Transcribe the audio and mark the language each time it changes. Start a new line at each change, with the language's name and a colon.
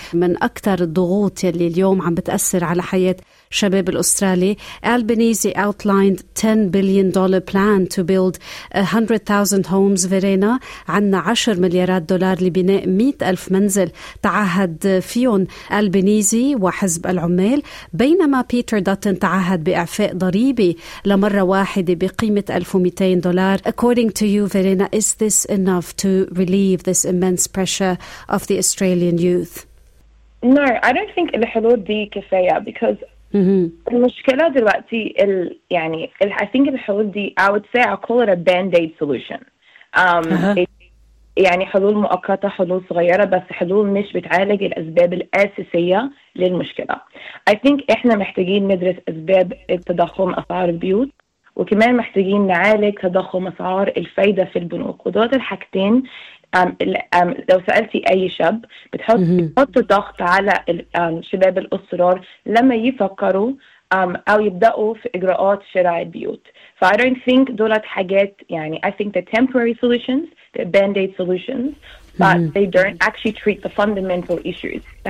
Arabic: من أكثر الضغوط اللي اليوم عم بتأثر على حياة شباب الأسترالي،
English: Albanese outlined $10 billion plan to build 100,000 homes.
Arabic: فيرينا عنا 10 مليارات دولار لبناء 100,000 منزل تعهد فيهم Albanese وحزب العمال، بينما بيتر داتن تعهد بإعفاء ضريبي لمرة واحدة بقيمة $1,200.
English: According to you, Verena, is this enough to relieve this immense pressure of the Australian youth? No, I don't think
Arabic: الحلول دي كفاية،
English: because
Arabic: المشكلة دلوقتي يعني
English: I think
Arabic: الحلول دي
English: I would say I call it a band-aid solution.
Arabic: يعني حلول مؤقتة، حلول صغيرة، بس حلول مش بتعالج الأسباب الأساسية للمشكلة.
English: I think
Arabic: إحنا محتاجين ندرس أسباب التضخم أسعار البيوت، وكمان محتاجين نعالج تضخم أسعار الفايدة في البنوك. ودوت الحاجتين لو سألتي أي شاب بتحط ضغط على شباب الأسرار لما يفكروا أو يبدأوا في إجراءات شراء البيوت.
English: So I don't think
Arabic: دولت حاجات يعني
English: I think the temporary solutions, the band-aid solutions, but they don't actually treat the fundamental issues.